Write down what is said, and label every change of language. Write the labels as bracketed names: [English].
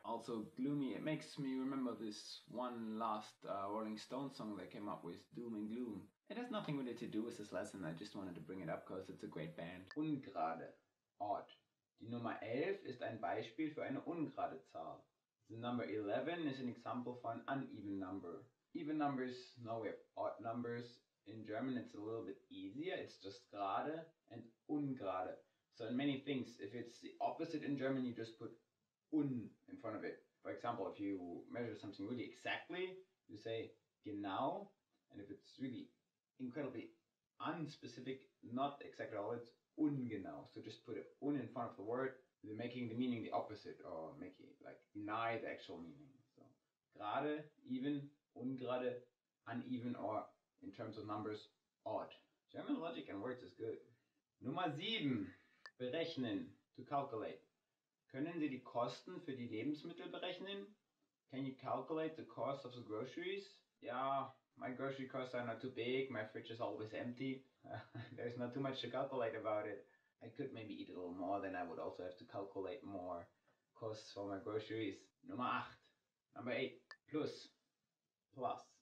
[English] Also, gloomy, it makes me remember this one last Rolling Stones song they came up with, Doom and Gloom. It has nothing really to do with this lesson, I just wanted to bring it up, because it's a great band. Ungerade. Odd. [German] Die Nummer 11 ist ein Beispiel für eine ungerade Zahl. [English] The number 11 is an example for an uneven number. Even numbers, no, we have odd numbers. In German, it's a little bit easier. It's just gerade and ungerade. So in many things, if it's the opposite in German, you just put un in front of it. For example, if you measure something really exactly, you say genau. And if it's really incredibly unspecific, not exact at all, it's ungenau. So just put un in front of the word, making the meaning the opposite, or making like deny the actual meaning. So gerade, even, ungerade, uneven, or in terms of numbers, odd. German logic and words is good. Nummer 7. Berechnen. To calculate. [German] Können Sie die Kosten für die Lebensmittel berechnen? [English] Can you calculate the cost of the groceries? Yeah, my grocery costs are not too big. My fridge is always empty. There's not too much to calculate about it. I could maybe eat a little more, then I would also have to calculate more costs for my groceries. Nummer 8. Number 8. Plus. Plus.